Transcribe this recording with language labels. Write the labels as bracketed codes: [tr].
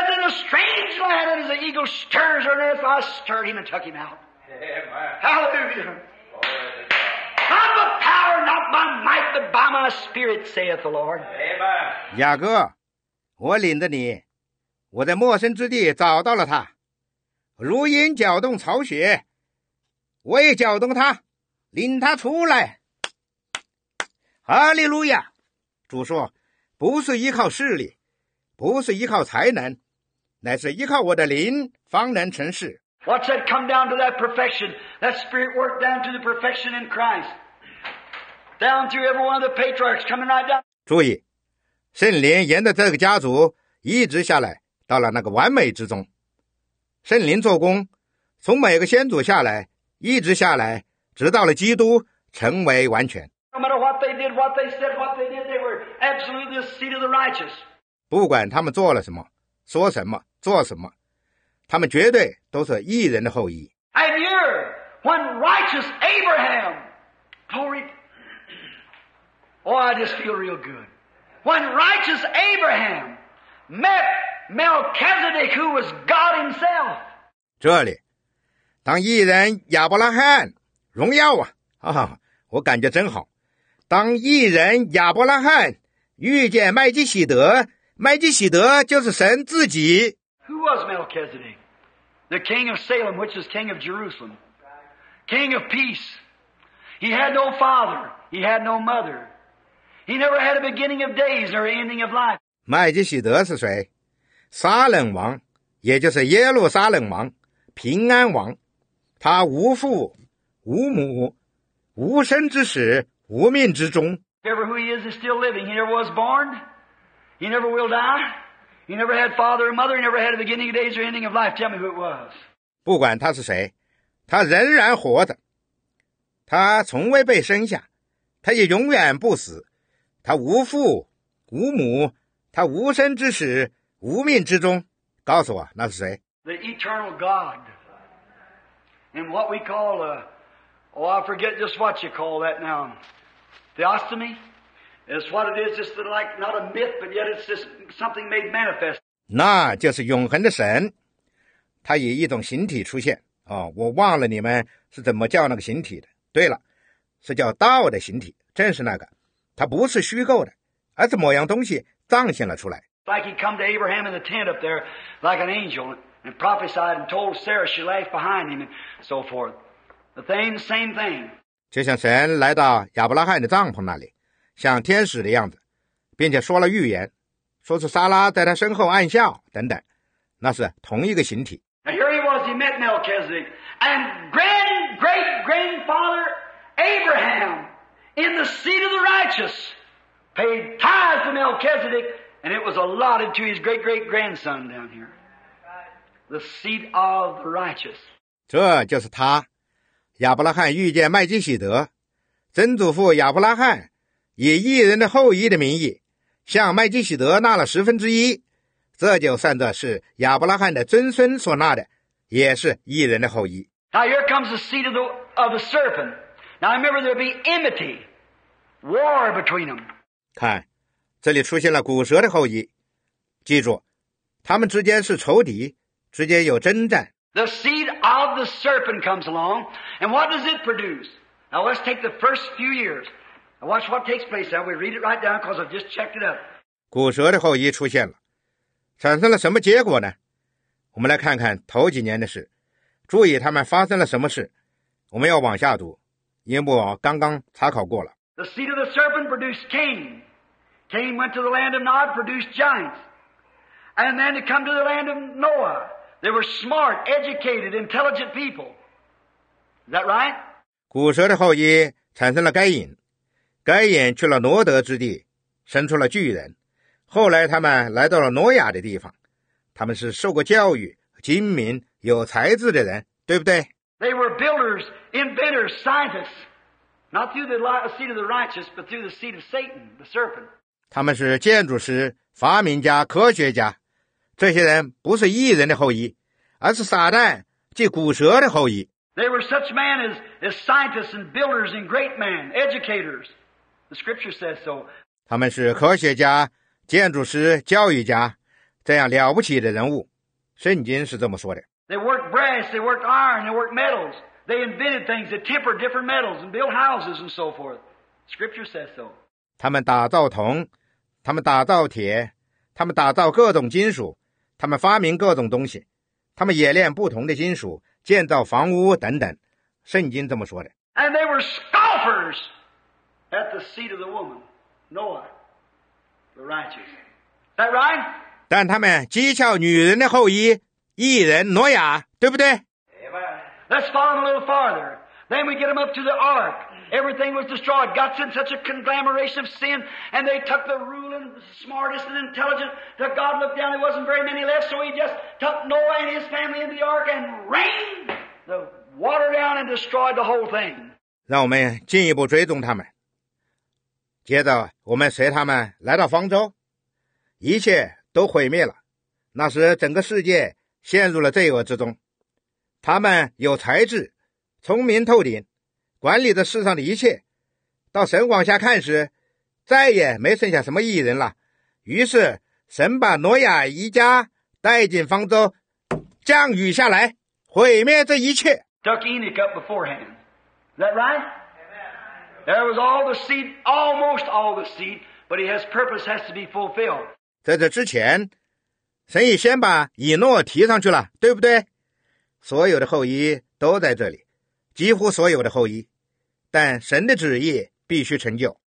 [en] Strange land, and as the eagle stirs on earth, I stirred him and took him out. Hallelujah. Not by power, not by might, but by my spirit, saith the Lord. [zh] 雅各，我领着你，我在陌生之地找到了他，如鹰搅动巢穴，我也搅动他，领他出来。哈利路亚。主说，不是依靠势力，不是依靠才能，乃是依靠我的灵方能成事。 [en] What's that come down to that perfection? That spirit worked down to the perfection in Christ. Down through every one of the patriarchs coming right down. [zh] 注意，圣灵沿着这个家族一直下来，到了那个完美之中。圣灵做工，从每个先祖下来，一直下来，直到了基督成为完全。 [en] No matter what they did, what they said, what they did, they were absolutely the seed of the righteous. [zh] 不管他们做了什么，说什么，做什么。他们绝对都是义人的后裔。 [en] And you're one righteous Abraham. Glory. Oh, I just feel real good. One righteous Abraham met Melchizedek, who was God himself. [zh] 这里，当义人亚伯拉罕，荣耀啊！啊，我感觉真好。当义人亚伯拉罕遇见麦基洗德，麦基洗德就是神自己。 [en] Who was Melchizedek? The king of Salem, which is king of Jerusalem. King of peace. He had no father. He had no mother. He never had a beginning of days or ending of life. [zh] 麦基洗德是谁？撒冷王，也就是耶路撒冷王，平安王。他无父，无母，无生之始，无命之终。 [en] Whoever who he is still living. He never was born. He never will die. He never had father or mother. He never had a beginning of days or ending of life. Tell me who it was. [zh] 不管他是谁，他仍然活着。他从未被生下，他也永远不死。他无父无母，他无生之始，无命之终。告诉我，那是谁 [en] ？The eternal God, and what we call a, oh, I forget just what you call that now. Theosemy. It's what it is, just like not a myth, but yet it's just something made manifest. [zh] 那就是永恒的神，他以一种形体出现。哦，我忘了你们是怎么叫那个形体的。对了，是叫道的形体，正是那个，它不是虚构的，而是某样东西彰显了出来。 [en] Like he come to Abraham in the tent up there, like an angel, and prophesied and told Sarah she left behind him, and so forth. The thing, same thing. [zh] 就像神来到亚伯拉罕的帐篷那里。像天使的样子，并且说了预言，说是撒拉在他身后暗笑等等，那是同一个形体。 [en] Now here he was, he met Melchizedek, and grand great grandfather Abraham in the seed of the righteous paid tithes to Melchizedek, and it was allotted to his great great grandson down here, the seed of the righteous. [zh] 这就是他，亚伯拉罕遇见麦基洗德，曾祖父亚伯拉罕。以义人的后裔的名义向麦基洗德纳了十分之一，这就算作是亚伯拉罕的尊孙所纳的，也是义人的后裔。 [en] Now here comes the seed of the serpent. Now remember there'll be enmity, war between them. [zh] 看，这里出现了骨蛇的后裔，记住，他们之间是仇敌，之间有征战。 [en] The seed of the serpent comes along, and what does it produce? Now let's take the first few years. Watch what takes place. Now we read it right down because I've just checked it up. [zh] 骨蛇的后裔出现了，产生了什么结果呢？我们来看看头几年的事，注意他们发生了什么事。我们要往下读，因为我刚刚查考过了。 [en] The seed of the serpent produced Cain. Cain went to the land of Nod, produced giants, and then to come to the land of Noah, they were smart, educated, intelligent people. Is that right? [zh] 骨蛇的后裔产生了该隐。该隐去了挪德之地，生出了巨人。后来他们来到了挪亚的地方，他们是受过教育、精明、有才智的人，对不对 [en] ？They were builders, inventors, scientists, not through the seed of the righteous, but through the seed of Satan, the serpent. [zh] 他们是建筑师、发明家、科学家。这些人不是义人的后裔，而是撒旦，即骨蛇的后裔。 [en] They were such men as scientists and builders and great men, educators. The scripture says so. [zh] 他们是科学家、建筑师、教育家，这样了不起的人物。圣经是这么说的。 [en] They worked brass, they worked iron, they worked metals. They invented things that tempered different metals and built houses and so forth. Scripture says so. [zh] 他们打造铜，他们打造铁，他们打造各种金属，他们发明各种东西，他们冶炼不同的金属，建造房屋等等。圣经这么说的。 [en] And they were scoffers at the seed of the woman, Noah, the righteous. Is that right? [zh] 但他们讥诮女人的后裔，义人挪亚，对不对？ [en] Let's follow them a little farther. Then we get them up to the ark. Everything was destroyed. God sent such a conglomeration of sin, and they took the ruling, the smartest and intelligent. The God looked down, there wasn't very many left, so he just took Noah and his family in the ark and rained the water down and destroyed the whole thing. [zh] 让我们进一步追踪他们。接着我们随他们来到方舟，一切都毁灭了。那时整个世界陷入了罪恶之中。他们有才智，聪明透顶，管理着世上的一切。到神往下看时，再也没剩下什么义人了。于是神把挪亚一家带进方舟，降雨下来，毁灭这一切。 [en] Took Enoch up beforehand. Is that right? Amen. There was all the seed, almost all the seed, but his purpose has to be fulfilled. [zh] 在这之前，神已先把以诺提上去了，对不对？所有的后裔都在这里，几乎所有的后裔，但神的旨意必须成就。